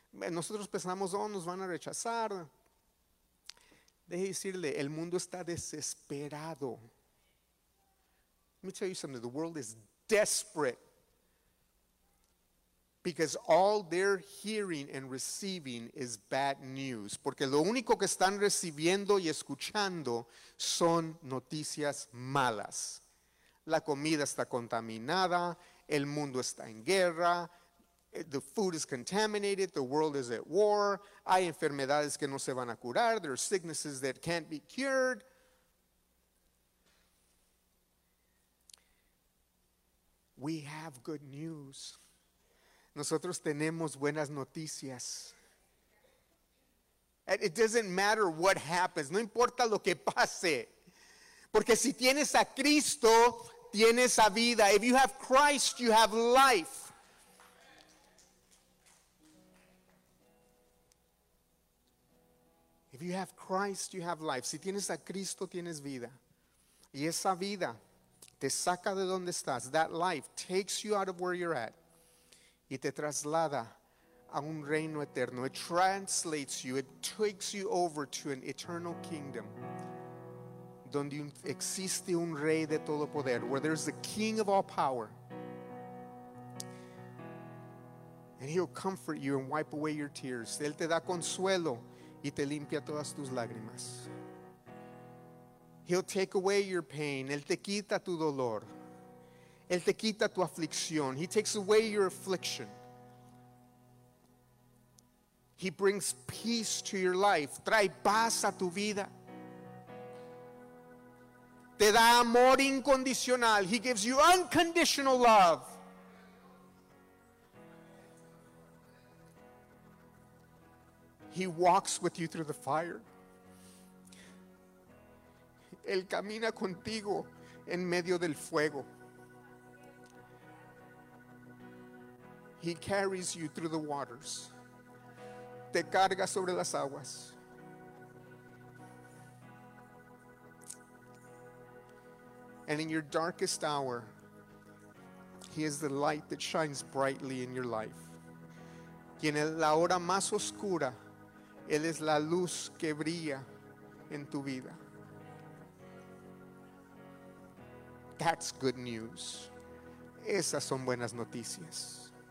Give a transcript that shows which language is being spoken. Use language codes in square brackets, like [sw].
[es] Nosotros pensamos, oh, nos van a rechazar. Deje decirle, el mundo está desesperado. [en] Let me tell you something. The world is desperate. Because all they're hearing and receiving is bad news. [es] Porque lo único que están recibiendo y escuchando son noticias malas. La comida está contaminada. El mundo está en guerra. [en] The food is contaminated. The world is at war. [es] Hay enfermedades que no se van a curar. [en] There are sicknesses that can't be cured. We have good news. [es] Nosotros tenemos buenas noticias. [en] It doesn't matter what happens. [es] No importa lo que pase. Porque si tienes a Cristo, tienes a vida. [en] If you have Christ, you have life. If you have Christ, you have life. [es] Si tienes a Cristo, tienes vida. Y esa vida te saca de donde estás. [en] That life takes you out of where you're at. [es] Y te traslada a un reino eterno. [en] It translates you. It takes you over to an eternal kingdom. [es] Donde existe un rey de todo poder. [en] Where there's the king of all power. And he'll comfort you and wipe away your tears. [es] Él te da consuelo y te limpia todas tus lágrimas. [en] He'll take away your pain. [es] Él te quita tu dolor. Él te quita tu aflicción. [en] He takes away your affliction. He brings peace to your life. [es] Trae paz a tu vida. Te da amor incondicional. [en] He gives you unconditional love. He walks with you through the fire. [es] Él camina contigo en medio del fuego. [en] He carries you through the waters. [es] Te carga sobre las aguas. [en] And in your darkest hour, he is the light that shines brightly in your life. [es] Y en la hora más oscura, él es la luz que brilla en tu vida. [en] That's good news. [es] Esas son buenas noticias.